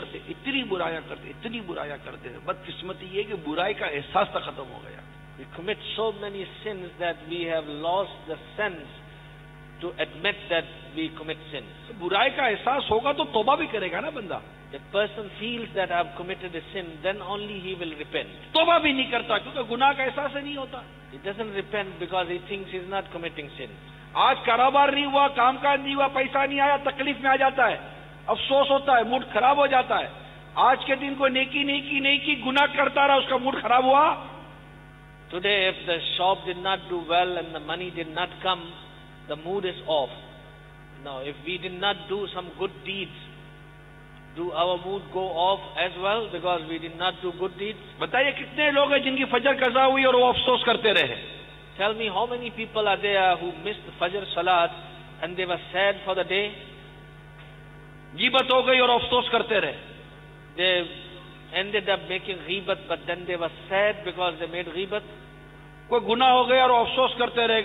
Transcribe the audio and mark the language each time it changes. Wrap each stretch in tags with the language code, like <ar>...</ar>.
<hi>इतनी बुराइयां करते हैं, बदकिस्मती ये कि बुराई का एहसास तक खत्म हो गया.</hi> <en>We commit so many sins that we have lost the sense to admit that we commit sins.</en> <hi>बुराई का एहसास होगा तो तौबा भी करेगा ना बंदा.</hi> <en>The person feels that I have committed a sin, then only he will repent.</en> <hi>तौबा भी नहीं करता क्योंकि गुनाह का एहसास ही नहीं होता.</hi> <en>He doesn't repent because he thinks he is not committing sin.</en> <hi>आज कारोबार नहीं हुआ, काम काज नहीं हुआ, पैसा नहीं आया, तकलीफ में आ जाता है, अफसोस होता है, मूड खराब हो जाता है. आज के दिन कोई नेकी नहीं की, नहीं की, गुनाह करता रहा, उसका मूड खराब हुआ.</hi> <en>Today if the shop did not do well and the money did not come, the mood is off. Now if we did not do some good deeds, do our mood go off as well because we did not do good deeds?</en> <hi>बताइए कितने लोग हैं जिनकी फजर कजा हुई और वो अफसोस करते रहे.</hi> <en>Tell me how many people are there who missed fajr salat and they were sad for the day?</en> <hi>गीबत हो गई और अफसोस करते रहे.</hi> <en>They ended up making ghibat but then they were sad because they made ghibat.</en> <hi>कोई गुनाह हो गया और अफसोस करते रहे.</hi>